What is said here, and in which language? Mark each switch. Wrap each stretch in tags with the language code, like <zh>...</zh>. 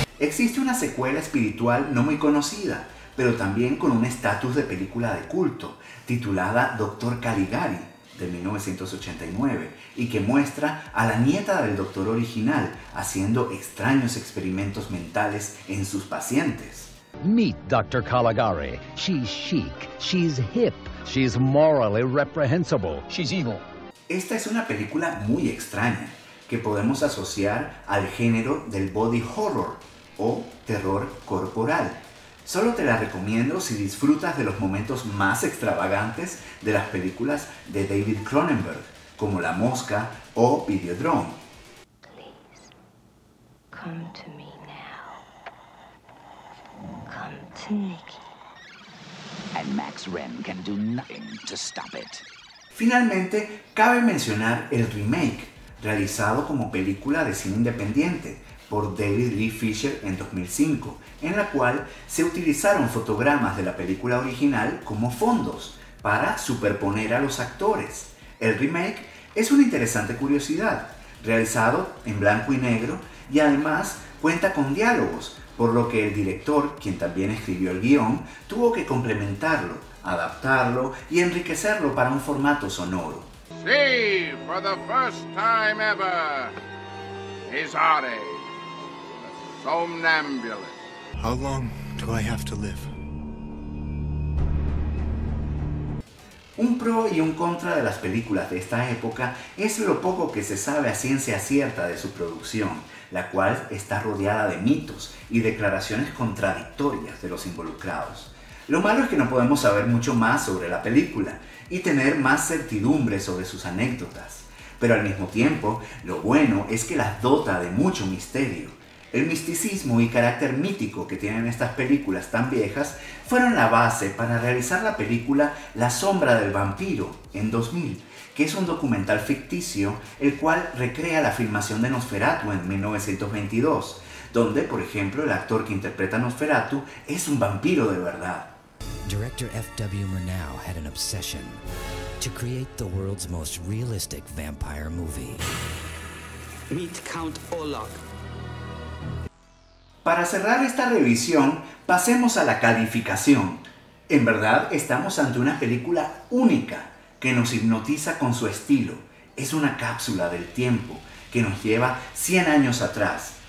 <es>existe una secuela espiritual no muy conocida, pero también con un estatus de película de culto, titulada Dr. Caligari, de 1989, y que muestra a la nieta del doctor original haciendo extraños experimentos mentales en sus pacientes.</es> <en>Meet Dr. Caligari. She's chic, she's hip, she's morally reprehensible, she's evil.</en> <es>Esta es una película muy extraña, que podemos asociar al género del body horror o terror corporal. Solo te la recomiendo si disfrutas de los momentos más extravagantes de las películas de David Cronenberg, como La Mosca o Videodrome.</es> <en>Please, come to me now. Come to Nikki. And Max Wren can do nothing to stop it.</en> <es>Finalmente, cabe mencionar el remake, realizado como película de cine independiente por David Lee Fisher en 2005, en la cual se utilizaron fotogramas de la película original como fondos para superponer a los actores. El remake es una interesante curiosidad, realizado en blanco y negro y además cuenta con diálogos, por lo que el director, quien también escribió el guión, tuvo que complementarlo, adaptarlo y enriquecerlo para un formato sonoro.</es> <en>Sí, for the first time ever, Isare, somnambulist. How long do I have to live?</en> <es>Un pro y un contra de las películas de esta época es lo poco que se sabe a ciencia cierta de su producción, la cual está rodeada de mitos y declaraciones contradictorias de los involucrados. Lo malo es que no podemos saber mucho más sobre la película y tener más certidumbre sobre sus anécdotas. Pero al mismo tiempo, lo bueno es que las dota de mucho misterio. El misticismo y carácter mítico que tienen estas películas tan viejas fueron la base para realizar la película La Sombra del Vampiro en 2000, que es un documental ficticio el cual recrea la filmación de Nosferatu en 1922, donde, por ejemplo, el actor que interpreta a Nosferatu es un vampiro de verdad.</es> <en>Director F.W. Murnau had an obsession to create the world's most realistic vampire movie. Meet Count Orlok.</en> <es>Para cerrar esta revisión, pasemos a la calificación. En verdad, estamos ante una película única que nos hipnotiza con su estilo. Es una cápsula del tiempo que nos lleva 100 años atrás.</es>